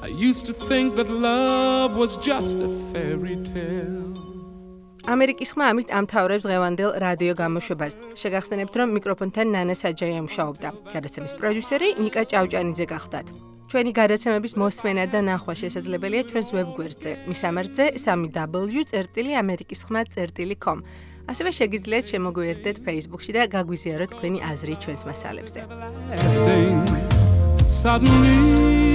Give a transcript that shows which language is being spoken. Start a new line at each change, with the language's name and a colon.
English: Used to think that love was just a fairy tale.
Georgian: ამერიკის ხმა ამით ამთავრებს ღევანდელ რადიო გამოშვებას. შეგახსენებთ, რომ მიკროფონთან ნანა საჯაია მუშაობდა. გადაცემის პროდიუსერი ნიკა ჭავჭანიძე გახდათ. ჩვენი გადაცემების მოსმენა და ნახვა შესაძლებელია ჩვენს ვებგვერდზე. მისამართზე www.amerikishma.com. ასევე შეგიძლიათ შემოგვერდეთ Facebook-ში და გაგვიზიაროთ თქვენი აზრი ჩვენს მასალებზე.
English: Suddenly